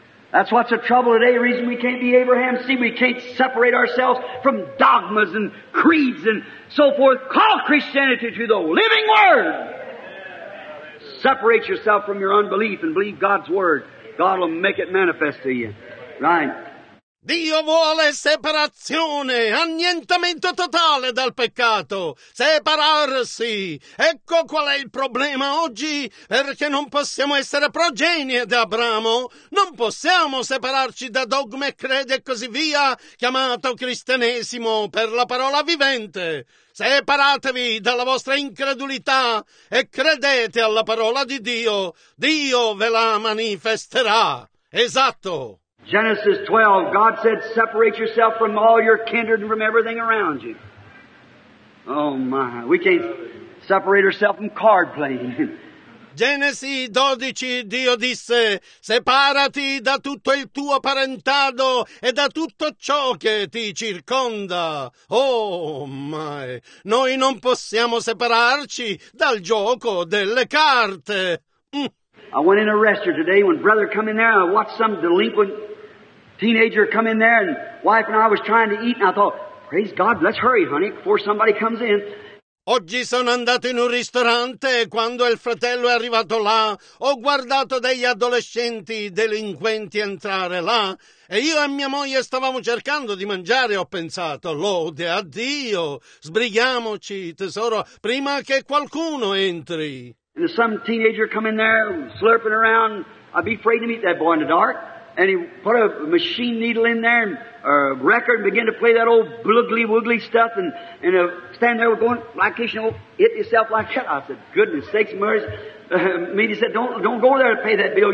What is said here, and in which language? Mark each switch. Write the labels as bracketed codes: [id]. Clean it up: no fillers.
[en] That's what's the trouble today. The reason we can't be Abraham, see, we can't separate ourselves from dogmas and creeds and so forth. Call Christianity to the living word. Separate yourself from your unbelief and believe God's word. God will make it manifest to you. Right. [it] Dio vuole separazione, annientamento totale dal peccato, separarsi. Ecco qual è il problema oggi, perché non possiamo essere progenie di Abramo, non possiamo separarci da dogme, crede e così via, chiamato cristianesimo per la parola vivente. Separatevi dalla vostra incredulità e credete alla parola di Dio. Dio ve la manifesterà. Esatto. [en] Genesis 12, God said, separate yourself from all your kindred and from everything around you. Oh my, we can't separate ourselves from card playing. [it] Genesi 12, Dio disse, separati da tutto il tuo parentado e da tutto ciò che ti circonda. Oh my, noi non possiamo separarci dal gioco delle carte. [en] I went in a restaurant today, when brother come in there, I watched some delinquent teenager come in there, and wife and I was trying to eat, and I thought, praise God, let's hurry, honey, before somebody comes in. [it] Oggi sono andato in un ristorante e quando il fratello è arrivato là, ho guardato degli adolescenti delinquenti entrare là e io e mia moglie stavamo cercando di mangiare, ho pensato, lode a Dio, sbrighiamoci, tesoro, prima che qualcuno entri. [en] And some teenager come in there, slurping around, I'd be afraid to meet that boy in the dark. And he put a machine needle in there, a record, and began to play that old boogly woogly stuff. And stand there, going like this, you know, hit yourself like that. I said, goodness sakes, Mary. Meanie said, don't go there to pay that bill.